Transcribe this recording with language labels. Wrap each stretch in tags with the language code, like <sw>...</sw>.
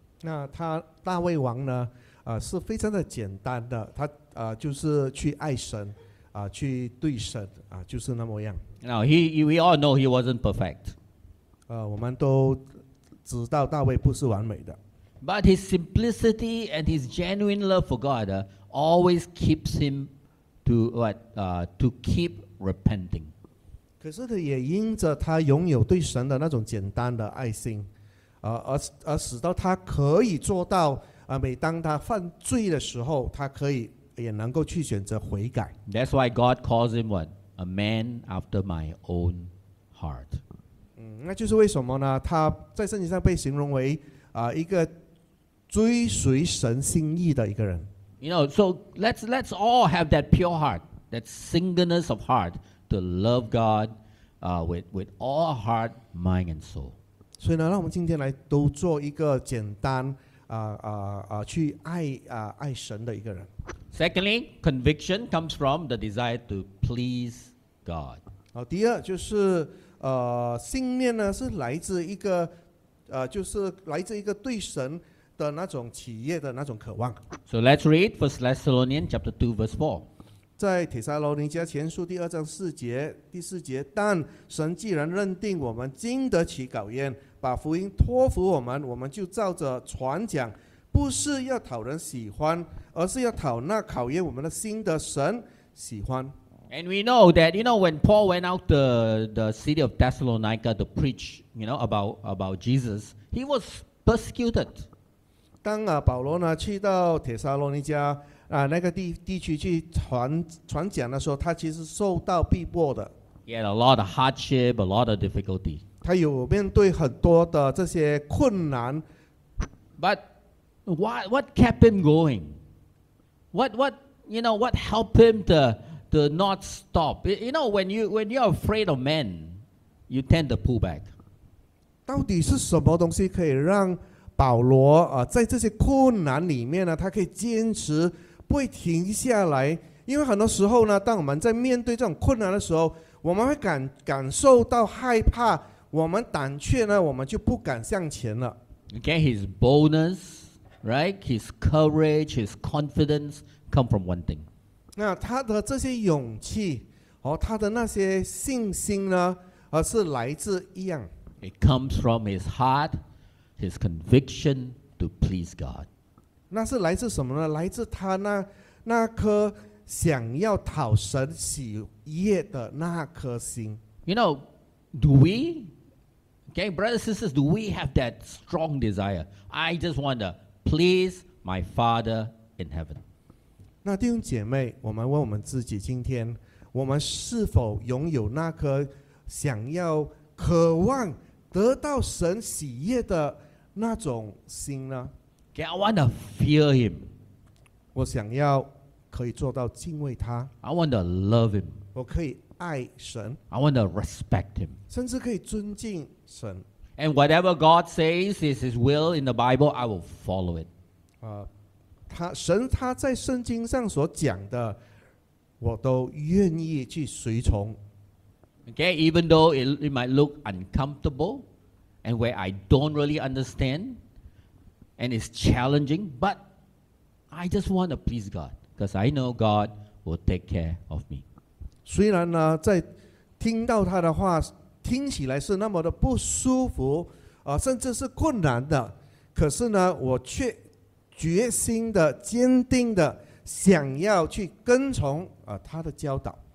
<zh>那他大卫王呢？是非常的简单的。他就是去爱神，去对神，就是那么样。</zh> <en>Now we all know he wasn't perfect.</en> <zh>我们都知道大卫不是完美的。</zh> <en>But his simplicity and his genuine love for God always keeps him. To keep repenting.</en> <zh>可是他也因着他拥有对神的那种简单的爱心，而使到他可以做到每当他犯罪的时候，他可以也能够去选择悔改。</zh> <en>That's why God calls him what? A man after my own heart.</en> <zh>那就是为什么呢？他在圣经上被形容为一个追随神心意的一个人。</zh> <en>You know, so let's all have that pure heart, that singleness of heart to love God, with all our heart, mind, and soul.</en> <zh>所以呢，让我们今天来都做一个简单去爱神的一个人。</zh> <en>Secondly, conviction comes from the desire to please God.</en> <zh>第二就是信念呢是来自一个就是来自一个对神。的那种企业的那种渴望。</zh> <en>So let's read First Thessalonians chapter 2 verse 4.</en> <zh>在帖撒罗尼迦前书第二章四节第四节，但神既然认定我们经得起考验，把福音托付我们，我们就照着传讲，不是要讨人喜欢，而是要讨那考验我们的心的神喜欢。</zh> <en>And we know that, you know, when Paul went out to the city of Thessalonica to preach, you know, about Jesus, he was persecuted.</en> <zh>当保罗呢去到帖撒罗尼迦那个 地区去传讲的时候，他其实受到逼迫的。</zh> <en>He had a lot of hardship, a lot of difficulty.</en> <zh>他有面对很多的这些困难。</zh> <en>But what kept him going? What you know? What helped him to not stop? You know, when you're afraid of men, you tend to pull back.</en> <zh>到底是什么东西可以让？保罗在这些困难里面呢，他可以坚持不会停下来，因为很多时候呢，当我们在面对这种困难的时候，我们会感受到害怕，我们胆怯呢，我们就不敢向前了。</zh> <en>Okay, his boldness, right? His courage, his confidence come from one thing.</en> <zh>那他的这些勇气和他的那些信心呢，是来自一样。</zh> <en>It comes from his heart. His conviction to please God.</en> <zh>那是来自什么呢？来自他那颗想要讨神喜悦的那颗心。</zh> <en>You know, do we? Okay, brothers and sisters, do we have that strong desire? I just want to please my Father in heaven.</en> <zh>那弟兄姐妹，我们问我们自己今天，我们是否拥有那颗想要渴望得到神喜悦的那种心呢？</zh> <en>Okay, I want to fear him.</en> <zh>我想要可以做到敬畏他。</zh> <en>I want to love him.</en> <zh>我可以爱神。</zh> <en>I want to respect him.</en> <zh>甚至可以尊敬神。</zh> <en>And whatever God says is his will in the Bible, I will follow it.</en> <zh>神他在圣经上所讲的，我都愿意去随从。</zh> <en>Okay, even though it might look uncomfortable,And where I don't really understand, and it's challenging, but I just want to please God because I know God will take care of me.</en> <zh>虽然呢，在听到他的话，听起来是那么的不舒服，甚至是困难的，可是呢，我却决心的、坚定的想要去跟从他的教导。</zh>